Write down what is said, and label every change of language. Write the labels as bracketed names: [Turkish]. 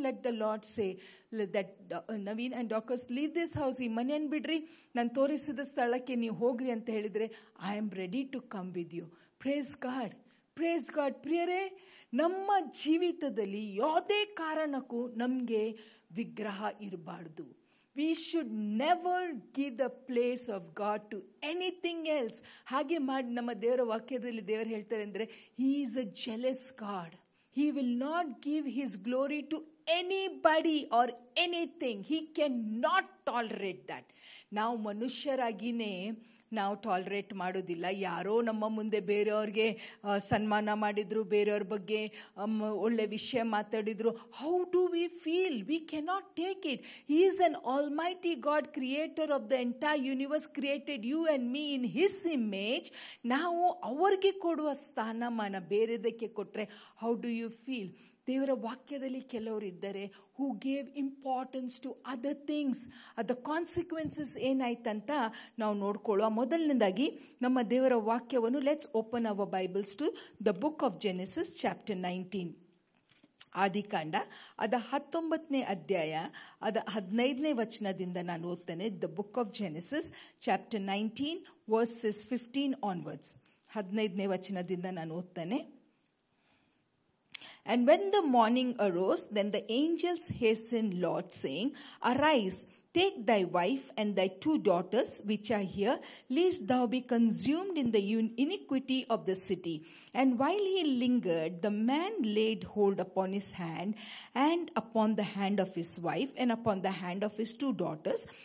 [English] let the Lord say that Naveen and doctors leave this house, [Kannada] ಈ ಮನೆಯನ್ನು ಬಿಡ್ರಿ, ನಾನು ತೋರಿಸಿದ ಸ್ಥಳಕ್ಕೆ ನೀವು ಹೋಗ್ರಿ ಅಂತ ಹೇಳಿದರೆ [English] I am ready to come with you. Praise God, praise God. [Kannada] ಪ್ರಿಯರೇ, ನಮ್ಮ ಜೀವಿತದಲ್ಲಿ ಯಾವುದೇ ಕಾರಣಕ್ಕೂ ನಮಗೆ ವಿಗ್ರಹ ಇರಬಾರ್ದು. [English] We should never give the place of God to anything else. [Kannada] Hage maadi nama devara vakyadalli devaru heltare andre [English] he is a jealous God. He will not give his glory to anybody or anything. He cannot tolerate that. [Kannada] Now manushyaragine ನಾವು tolerate ಮಾಡೋದಿಲ್ಲ. ಯಾರೋ ನಮ್ಮ ಮುಂದೆ ಬೇರೆಯವ್ರಿಗೆ ಸನ್ಮಾನ ಮಾಡಿದರು, ಬೇರೆಯವ್ರ ಬಗ್ಗೆ ಒಳ್ಳೆ ವಿಷಯ ಮಾತಾಡಿದರು, [English] How do we feel? We cannot take it. He is an almighty God, creator of the entire universe, created you and me in his image. [Kannada] ನಾವು ಅವರಿಗೆ ಕೊಡುವ ಸ್ಥಾನಮಾನ ಬೇರೆದಕ್ಕೆ ಕೊಟ್ಟರೆ [English] How do you feel? [Kannada] ದೇವರ ವಾಕ್ಯದಲ್ಲಿ ಕೆಲವರು ಇದ್ದಾರೆ [English] Who gave importance to other things. [Kannada] ಅದ ಕಾನ್ಸಿಕ್ವೆನ್ಸಸ್ ಏನಾಯ್ತಂತ ನಾವು ನೋಡ್ಕೊಳ್ಳುವ. ಮೊದಲನೇದಾಗಿ ನಮ್ಮ ದೇವರ ವಾಕ್ಯವನ್ನು [English] let's open our Bibles to the book of Genesis chapter 19 [Kannada] ಆದಿಕಾಂಡ ಅದ 19 ಅಧ್ಯಾಯ ಅದ 15 ವಚನದಿಂದ ನಾನು ಓದ್ತೇನೆ. [English] the book of Genesis chapter 19 verses 15 onwards [Kannada] 15 ವಚನದಿಂದ ನಾನು ಓದ್ತೇನೆ. [English] And when the morning arose, then the angels hastened Lot, saying, Arise, take thy wife and thy two daughters, which are here, lest thou be consumed in the iniquity of the city. And while he lingered, the man laid hold upon his hand, and upon the hand of his wife, and upon the hand of his two daughters.